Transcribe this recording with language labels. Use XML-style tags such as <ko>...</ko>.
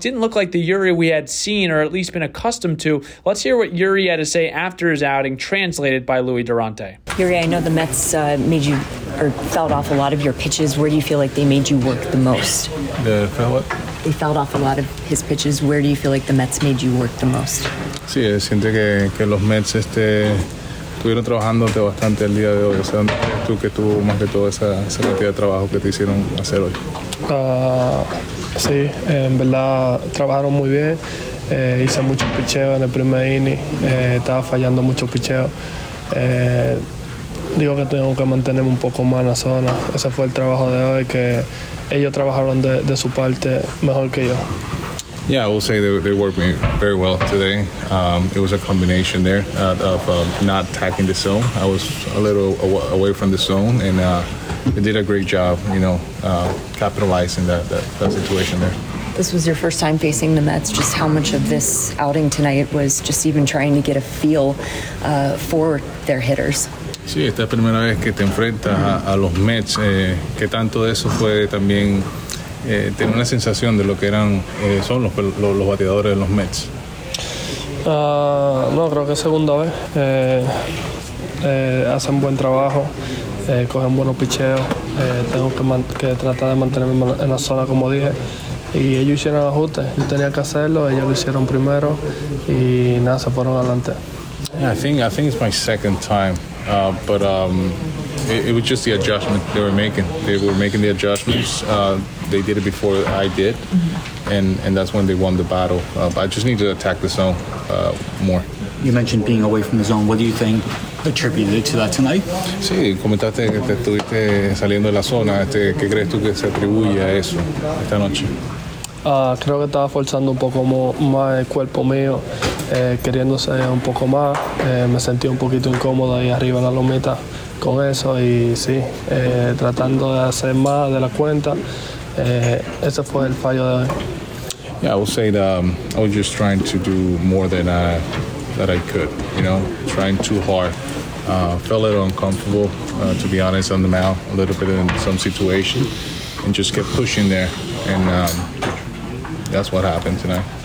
<en>Didn't look like the Yuri we had seen or at least been accustomed to. Let's hear what Yuri had to say after his outing, translated by Louis Durante. Yuri, I know the Mets made you or fouled off a lot of your pitches. Where do you feel like they made you work the most? They fouled off a lot of his pitches. Where do you feel like the Mets made you work the most?</en> <es>Sí, siento que los Mets estuvieron trabajándote bastante el día de hoy. O sea, tú que tuvo más que todo esa cantidad de trabajo que te hicieron hacer hoy. Sí, en verdad trabajaron muy bien. Hice mucho picheo en el primer inning. Estaba fallando mucho picheo. Digo que tengo que mantenerme un poco más en la zona. Ese fue el trabajo de hoy, que ellos trabajaron de su parte mejor que yo.</es> <en>Yeah, I will say they worked very well today. It was a combination there of not attacking the zone. I was a little away from the zone, and they did a great job, you know, capitalizing that situation there. This was your first time facing the Mets. Just how much of this outing tonight was just even trying to get a feel for their hitters?</en> <es>Sí, esta es la primera vez que te enfrentas a los Mets. ¿Qué tanto de eso fue también... tiene una sensación de lo que eran son los bateadores de los Mets? No, creo que es segunda vez. Hacen buen trabajo, cogen buenos picheos. Tengo que tratar de mantenerme en la zona, como dije. Y ellos hicieron ajustes. Yo tenía que hacerlo, ellos lo hicieron primero. Y nada, se fueron adelante.</es> <en>I think it's my second time. It was just the adjustment they were making. They were making the adjustments. They did it before I did, and that's when they won the battle. I just need to attack the zone more. You mentioned being away from the zone. What do you think attributed to that tonight?</en> <es>Sí, comentaste que te estuviste saliendo de la zona. ¿Qué crees tú que se atribuye a eso esta noche? Creo que estaba forzando un poco más el cuerpo mío, queriéndose un poco más. Me sentí un poquito incómodo ahí arriba en la lomita con eso, y sí, tratando de hacer más de la cuenta. Ese fue el fallo de hoy.</es> <en>Yeah, I would say that I was just trying to do more than I could, you know, trying too hard. Felt a little uncomfortable, to be honest, on the mound, a little bit in some situation, and just kept pushing there, and that's what happened tonight.</en>